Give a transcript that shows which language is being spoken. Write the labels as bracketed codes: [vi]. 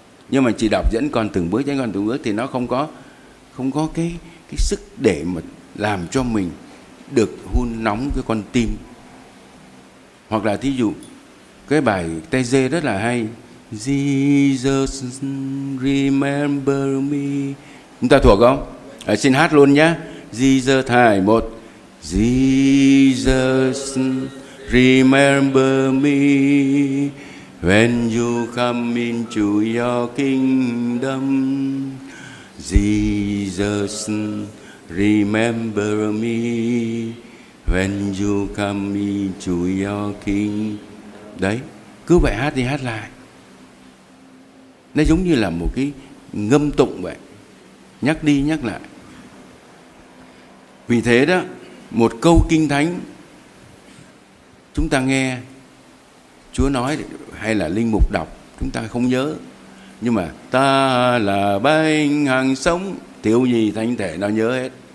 [vi] Nhưng mà chỉ đọc dẫn con từng bước, dẫn con từng bước thì nó không có cái sức để mà làm cho mình được hun nóng cái con tim. Hoặc là thí dụ cái bài Tê Dê rất là hay, [en] Jesus remember me. [vi] Chúng ta thuộc không? Xin hát luôn nhé. Jesus, hai, một. [en] Jesus remember me when you come into your kingdom. Jesus remember me when you come into your kingdom. [vi] Đấy, cứ vậy hát đi hát lại. Nó giống như là một cái ngâm tụng vậy, nhắc đi nhắc lại. Vì thế đó, một câu kinh thánh chúng ta nghe Chúa nói hay là linh mục đọc chúng ta không nhớ, nhưng mà ta là bánh hằng sống, thiếu gì thánh thể nó nhớ hết.